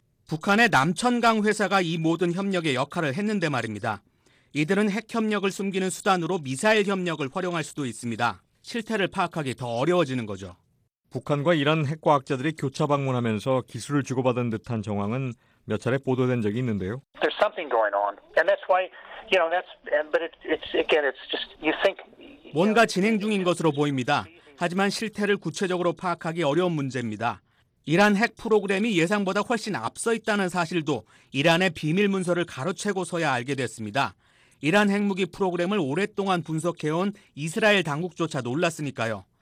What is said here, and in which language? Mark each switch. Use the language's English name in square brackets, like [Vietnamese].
[Korean] 북한의 남천강 회사가 이 모든 협력의 역할을 했는데 말입니다. 이들은 핵협력을 숨기는 수단으로 미사일 협력을 활용할 수도 있습니다. 실태를 파악하기 더 어려워지는 거죠. 북한과 이란 핵과학자들이 교차 방문하면서 기술을 주고받은 듯한 정황은 몇 차례 보도된 적이 있는데요. [English] There's something going on. And that's why, you know, that's and but it's again it's just you think [Korean] 뭔가 진행 중인 것으로 보입니다. 하지만 실태를 구체적으로 파악하기 어려운 문제입니다. 이란 핵 프로그램이 예상보다 훨씬 앞서 있다는 사실도 이란의 비밀 문서를 가로채고서야 알게 됐습니다. 이란 핵무기 프로그램을 오랫동안 분석해온 이스라엘 당국조차 놀랐으니까요.